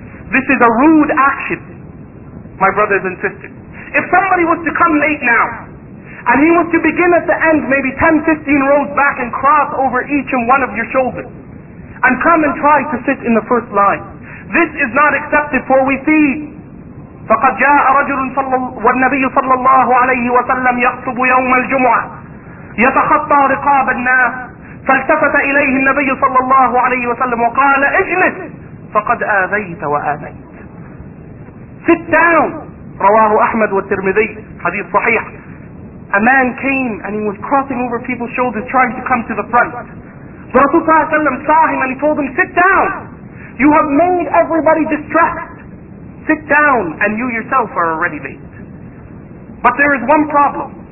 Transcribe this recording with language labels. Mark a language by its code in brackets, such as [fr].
[en] This is a rude action, my brothers and sisters. If somebody was to come late now, and he was to begin at the end, maybe 10-15 rows back, and cross over each and one of your shoulders, and come and try to sit in the first line, this is not accepted. For we see, [ar] فَقَدْ جَاءَ رَجُلٌ وَالنَّبِيُّ صَلَّى اللَّهُ عَلَيْهِ وَسَلَّمْ يَخْطُبُ يَوْمَ الْجُمُعَةِ يَتَخَطَّى رِقَابَ النَّاسِ فالتفت إليه النبي صلى الله عليه وسلم وقال اجلس فقد آذيت وآذيت. [en] Sit down. [ar] رواه أحمد والترمذي, حديث صحيح. [en] A man came and he was crossing over people's shoulders trying to come to the front. The Rasul صلى الله عليه وسلم saw him and he told him, sit down. You have made everybody distressed. Sit down and you yourself are already late. But there is one problem.